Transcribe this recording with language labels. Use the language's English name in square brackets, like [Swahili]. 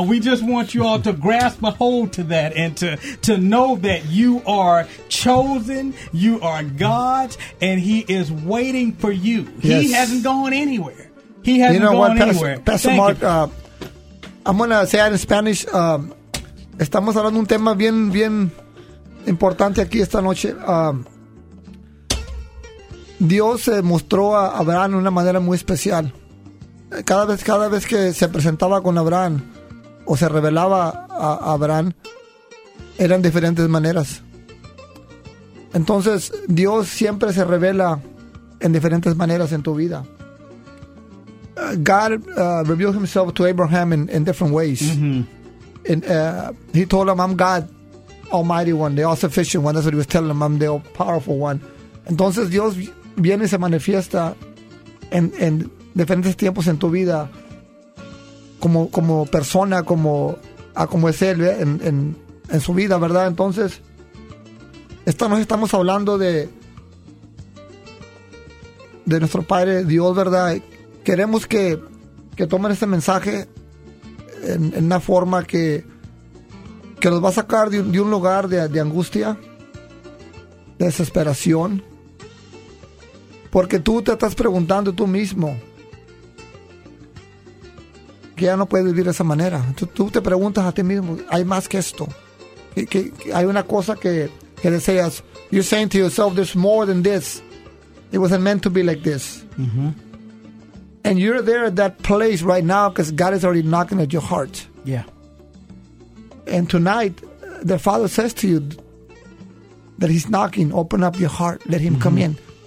[English] We just want you all to grasp a hold to that and to know that you are chosen, you are God's, and He is waiting for you. Yes. He hasn't gone anywhere. He hasn't gone anywhere. You know what, Pastor Mark, I'm going to say it in Spanish. [Spanish] Estamos hablando un tema bien, bien importante aquí esta noche. Dios mostró a Abraham de una manera muy especial. Cada vez que se presentaba con Abraham o se revelaba a Abraham, eran diferentes maneras. Entonces, Dios siempre se revela en diferentes maneras en tu vida. [English] God revealed Himself to Abraham in different ways. Mm-hmm. He told him, I'm God, Almighty One, the All-Sufficient One. That's what He was telling him. I'm the All-Powerful One. [Spanish] Entonces, Dios viene y se manifiesta en diferentes tiempos en tu vida, como persona, como es Él en su vida, ¿verdad? Entonces, estamos hablando de nuestro Padre Dios, ¿verdad? Queremos que tomen este mensaje en una forma que los va a sacar de un lugar de angustia, de desesperación, porque tú te estás preguntando tú mismo, que ya no puedes vivir de esa manera. Tú te preguntas a ti mismo, hay más que esto. Que hay una cosa que deseas. [English] You're saying to yourself, there's more than this. It wasn't meant to be like this. Mm-hmm. And you're there at that place right now because God is already knocking at your heart. Yeah. And tonight, the Father says to you that He's knocking, open up your heart, let Him mm-hmm. come in.